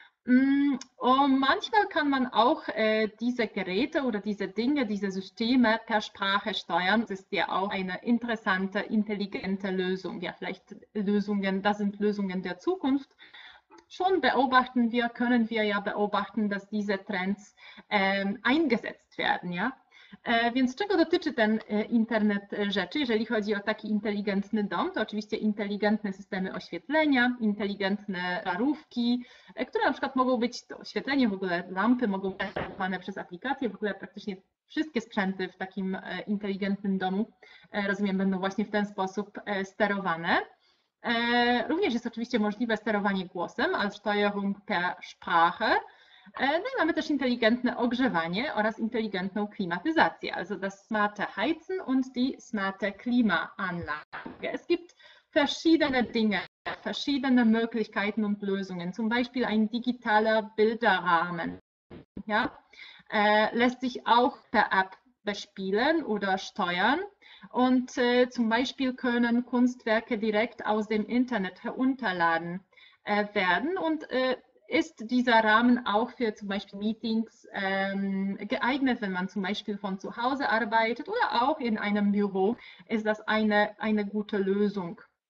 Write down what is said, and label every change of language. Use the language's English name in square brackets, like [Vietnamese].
[German] Und manchmal kann man auch diese Geräte oder diese Dinge, diese Systeme per Sprache steuern. Das ist ja auch eine interessante, intelligente Lösung. Ja, vielleicht Lösungen, das sind Lösungen der Zukunft. Schon beobachten wir, können wir ja beobachten, dass diese Trends eingesetzt werden, ja. [Polish] Więc czego dotyczy ten Internet rzeczy? Jeżeli chodzi o taki inteligentny dom, to oczywiście inteligentne systemy oświetlenia, inteligentne żarówki, które na przykład mogą być, to oświetlenie, w ogóle lampy mogą być sterowane przez aplikację, w ogóle praktycznie wszystkie sprzęty w takim inteligentnym domu, rozumiem, będą właśnie w ten sposób sterowane. Również jest oczywiście możliwe sterowanie głosem, [German] als Steuerung per Sprache. [Polish] No i mamy też inteligentne ogrzewanie oraz inteligentną klimatyzację, [German] also das smarte Heizen und die smarte Klimaanlage. Es gibt verschiedene Dinge, verschiedene Möglichkeiten und Lösungen, zum Beispiel ein digitaler Bilderrahmen. Ja? Lässt sich auch per App bespielen oder steuern. Und zum Beispiel können Kunstwerke direkt aus dem Internet herunterladen werden und ist dieser Rahmen auch für zum Beispiel Meetings geeignet, wenn man zum Beispiel von zu Hause arbeitet oder auch in einem Büro, ist das eine gute Lösung.